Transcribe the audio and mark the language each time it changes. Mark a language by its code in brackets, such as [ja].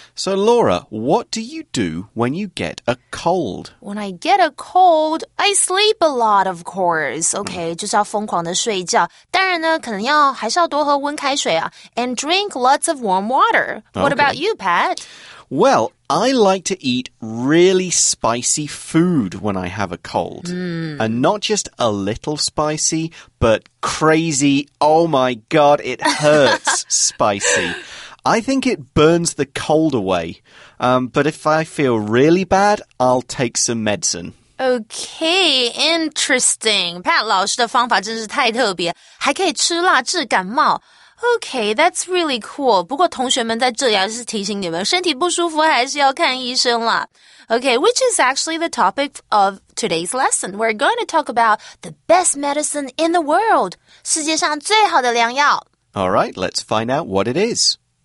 [en] So Laura, what do you do when you get a cold? When I get a cold, I sleep a lot, of course. [zh] Okay, 就是要疯狂的睡觉。当然呢，可能要还是要多喝温开水啊。 [en] And drink lots of warm water. What about you, Pat? Well, I like to eat really spicy food when I have a cold. And not just a little spicy, but crazy, oh my god, it hurts spicy. I think it burns the cold away. But if I feel really bad, I'll take some medicine. Okay, interesting. [zh] Pat 老师的方法真是太特别，还可以吃辣治感冒。 [en] Okay, that's really cool. [zh] 不过同学们在这里还是提醒你们，身体不舒服还是要看医生啦。 [en] Okay, which is actually the topic of today's lesson. We're going to talk about the best medicine in the world. [zh] 世界上最好的良药。 [en] All right, let's find out what it is.